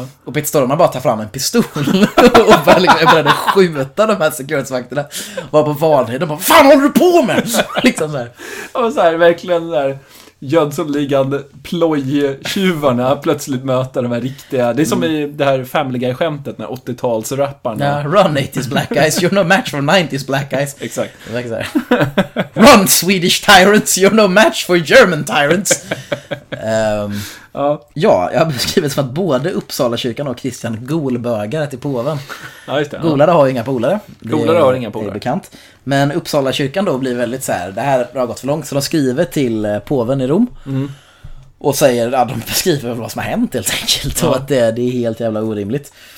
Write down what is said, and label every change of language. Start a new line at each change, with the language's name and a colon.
Swedish: Och Peter Stormar bara tar fram en pistol och började skjuta de här sekuritetsvakterna. Var på vanhet, de bara, fan håller du på med? Liksom såhär. Och såhär, verkligen där Jönssonligande plojtjuvarna plötsligt möter de här riktiga, det är som i det här Family Guy-skämtet när 80-talsrapparna.
English: Yeah, run 80s black guys, you're no match for 90s black guys.
Swedish: Exakt.
English: Run Swedish tyrants, you're no match for German tyrants.
Swedish: Ja, jag har beskrivit som att både Uppsala kyrkan och Christian golbögar till påven. Ja, just det. Golare har inga polare. Golare har inga polare. Det är bekant. Men Uppsala kyrkan då blir väldigt så här, det här har gått för långt, så de skriver till påven i Rom. Och säger, ja, de beskriver vad som har hänt helt enkelt, och att det är helt jävla orimligt.